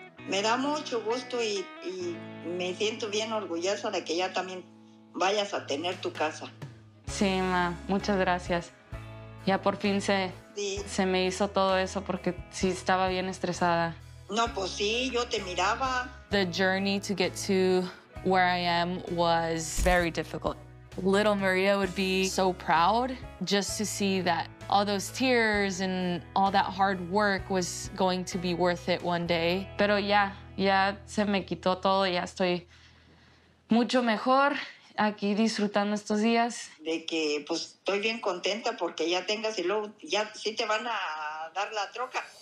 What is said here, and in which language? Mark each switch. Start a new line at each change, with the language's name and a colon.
Spanish: Me da mucho gusto y me siento bien orgullosa de que ya también vayas a tener tu casa. Sí, ma, muchas gracias. Ya por fin se me hizo todo eso porque sí estaba bien estresada. No, pues sí, yo te miraba.
English: The journey to get to where I am was very difficult. Little Maria would be so proud just to see that all those tears and all that hard work was going to be worth it one day.
Spanish: Pero ya se me quitó todo, ya estoy mucho mejor aquí disfrutando estos días. De que pues estoy bien contenta porque ya tengas y luego ya sí te van a dar la troca.